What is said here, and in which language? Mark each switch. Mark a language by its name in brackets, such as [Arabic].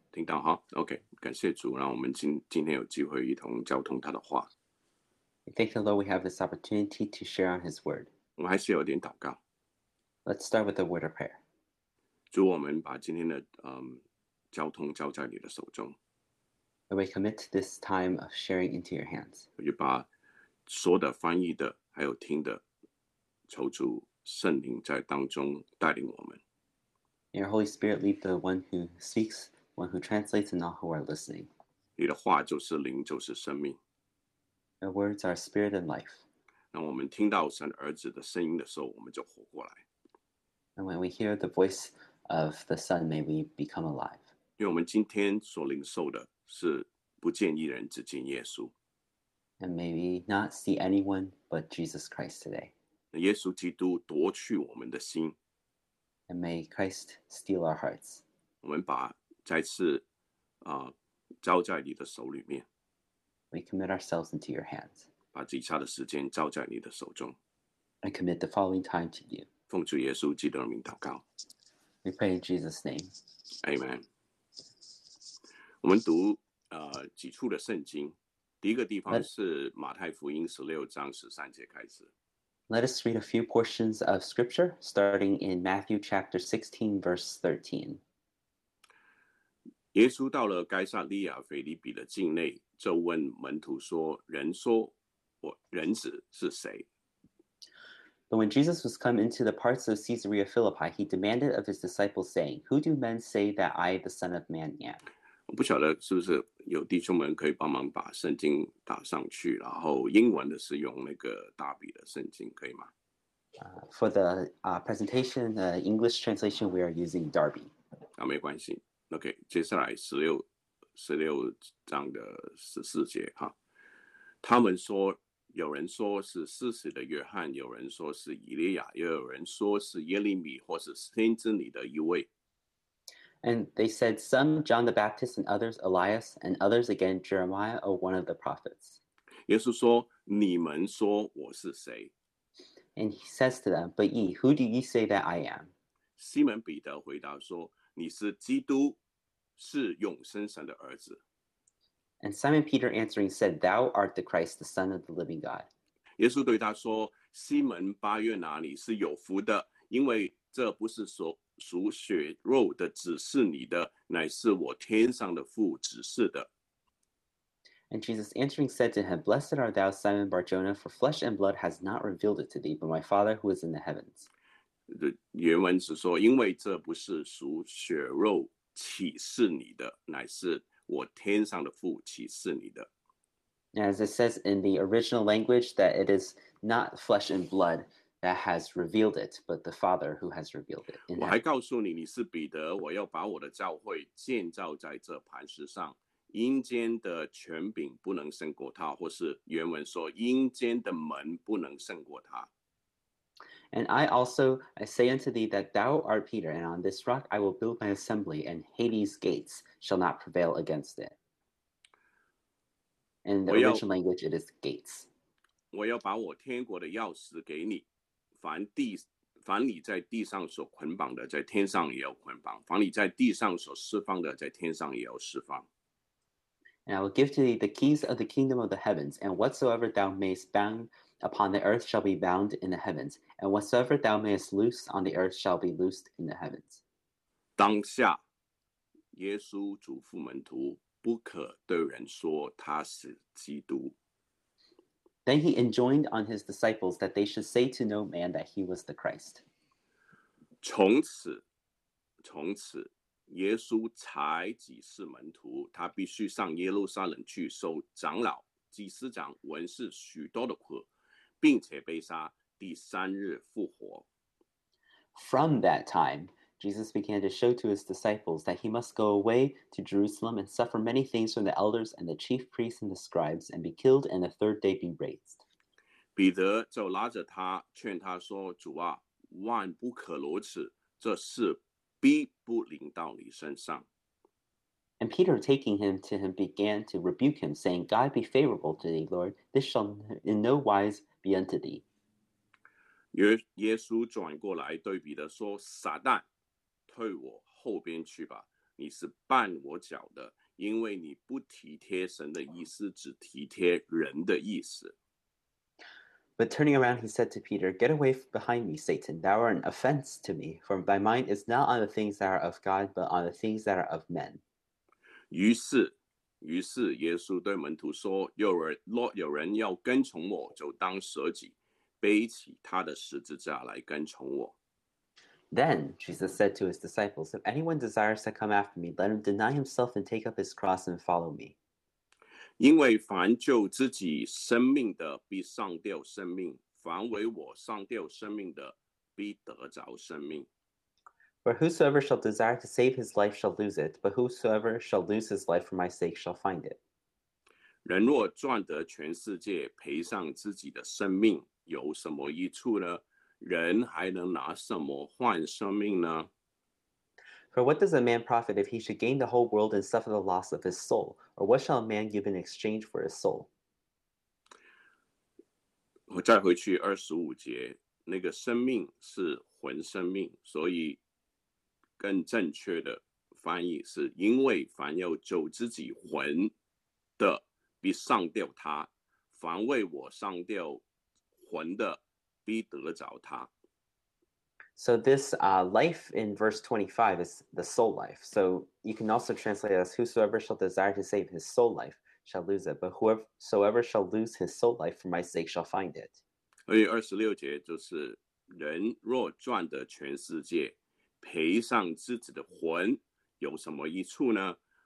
[Chinese] 听到哈 OK 感谢主让我们 今天有机会一同交通他的话 [English] Thank the Lord we have this opportunity to share on his word [Chinese] 我们还是有点祷告 [English] Let's start with a word of prayer [Chinese] 主我们把今天的、交通交在你的手中 [English] And we commit this time of sharing into your hands [Chinese] 我就把说的翻译的还有听的求主圣灵在当中带领我们 [English] May your Holy Spirit lead the one who speaks, one who translates, and all who are listening. [Chinese] 你的话就是灵，就是生命。 [English] Your words are spirit and life. [Chinese] 当我们听到神儿子的声音的时候，我们就活过来。 [English] And when we hear the voice of the Son, may we become alive. [Chinese] 因为我们今天所领受的是不见一人，只见耶稣。 [English] And may we not see anyone but Jesus Christ today. [Chinese] 耶稣基督夺去我们的心。 [English] And may Christ steal our hearts. [Chinese] 我们把再次、交在你的手里面。 [English] We commit ourselves into your hands. [Chinese] 把以下的时间交在你的手中。 [English] I commit the following time to you. [Chinese] 奉主耶稣基督的名祷告。 [English] We pray in Jesus' name. [Chinese] Amen. 我们读、几处的圣经。第一个地方是马太福音16章13节开始。 [English] Let us read a few portions of scripture, starting in Matthew chapter 16, verse 13. [Chinese] 耶稣到了该撒利亚腓立比的境内，就问门徒说：“人说我人子是谁？” [English] But when Jesus was come into the parts of Caesarea Philippi, he demanded of his disciples, saying, "Who do men say that I, the Son of Man, am?" [Chinese] 我不晓得是不是有弟兄们可以帮忙把圣经打上去，然后英文的是用那个大笔的圣经，可以吗？ [English] For the presentation, the English translation, we are using Darby. [Chinese] 啊，没关系。 OK， 接下来16章的14节哈，他们说有人说是施洗的约翰，有人说是以利亚，又有人说是耶利米或是先知里的一位。 [English] And they said, some John the Baptist and others Elias, and others again Jeremiah or one of the prophets. [Chinese] 耶稣说，你们说我是谁？ [English] And he says to them, but ye, who do ye say that I am? [Chinese] 西门彼得回答说，你是基督，是永生神的儿子。 [English] And Simon Peter answering said, thou art the Christ, the Son of the living God. [Chinese] 耶稣对他说，西门巴约拿，你是有福的，因为这不是说属血肉的只是你的，乃是我天上的父指示的。 [English] And Jesus answering said to him, Blessed art thou, Simon Barjona, for flesh and blood has not revealed it to thee, but my Father who is in the heavens. [Chinese] 原文是说，因为这不是属血肉启示你的，乃是我天上的父启示你的。 [English] As it says in the original language, that it is not flesh and bloodThat has revealed it, but the Father who has revealed it. [Chinese] 我还告诉你，你是彼得，我要把我的教会建造在这磐石上。阴间的权柄不能胜过他，或是原文说，阴间的门不能胜过他。 [English] And I say unto thee that thou art Peter, and on this rock I will build my assembly, and Hades' gates shall not prevail against it. In the original language, it is gates. [Chinese] 我要把我天国的钥匙给你。凡你在地上所捆绑的，在天上也要捆绑；凡你在地上所释放的，在天上也要释放。 [English] And I will give to thee the keys of the kingdom of the heavens, and whatsoever thou mayest bound upon the earth shall be bound in the heavens, and whatsoever thou mayest loose on the earth shall be loosed in the heavens. [Chinese] 当下，耶稣嘱咐门徒，不可对人说他是基督。 [English] Then he enjoined on his disciples that they should say to no man that he was the Christ. [Chinese] 从此，耶稣才指示门徒，他必须上耶路撒冷去受长老、祭司长、文士许多的苦，并且被杀，第三日复活。 [English] From that time, Jesus began to show to his disciples that he must go away to Jerusalem and suffer many things from the elders and the chief priests and the scribes and be killed and the third day be raised. [Chinese] 彼得就拉着他，劝他说：“主啊，万不可如此，这事必不临到你身上。” [English] And Peter, taking him to him, began to rebuke him, saying, God be favorable to thee, Lord, this shall in no wise be unto thee. [Chinese] 耶稣转过来对彼得说：“撒旦。” 退我后边去吧，你是绊我脚的，因为你不体贴神的意思，只体贴人的意思。 [English] But turning around, he said to Peter, Get away behind me, Satan. Thou art an offense to me, for my mind is not on the things that are of God, but on the things that are of men. [Chinese] 于是耶稣对门徒说，若有人要跟从我，就当舍己，背起他的十字架来跟从我。 [English] Then Jesus said to his disciples, If anyone desires to come after me, let him deny himself and take up his cross and follow me. [Chinese] 因为凡救自己生命的必丧掉生命，凡为我丧掉生命的必得着生命。 [English] For whosoever shall desire to save his life shall lose it, but whosoever shall lose his life for my sake shall find it. [Chinese] 人若赚得全世界，赔上自己的生命，有什么益处呢？人还能拿什么换生命呢？ [English] For what does a man profit if he should gain the whole world and suffer the loss of his soul? Or what shall a man give in exchange for his soul? [Chinese] 我再回去二十五节，那个生命是魂生命，所以更正确的翻译是因为凡要救自己魂的必丧掉他，凡为我丧掉魂的必得着他。 [English] So this life in verse 25 is the soul life. So you can also translate as whosoever shall desire to save his soul life shall lose it, but whosoever shall lose his soul life for my sake shall find it. [Chinese] 所以二十六节就是人若赚得全世界，赔上自己的魂，有什么益处呢？